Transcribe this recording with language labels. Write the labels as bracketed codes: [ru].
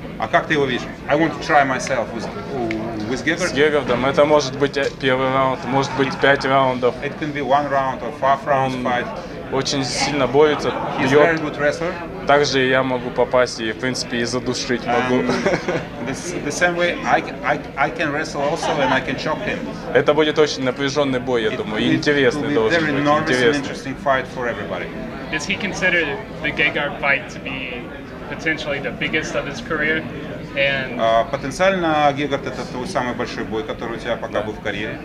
[ru] А как ты его видишь? [en] I want to try myself with Gegard. [ru] С Герардом это может быть первый раунд, может быть пять раундов. [en] It can be one round or five rounds fight. [ru] Очень сильно борется, [en] he's [ru] бьет. [en] Very good wrestler. [ru] Также я могу попасть и, в принципе, и задушить могу. [en] The same way I can wrestle also and I can choke him. [ru] Это будет очень напряженный бой, я думаю, интересный должен быть. [en] It will be a very nervous and interesting fight for everybody. Does he consider the Gegard fight to be potentially the biggest of his career? [ru] Потенциально Гегард это твой самый большой бой, который у тебя пока был в карьере.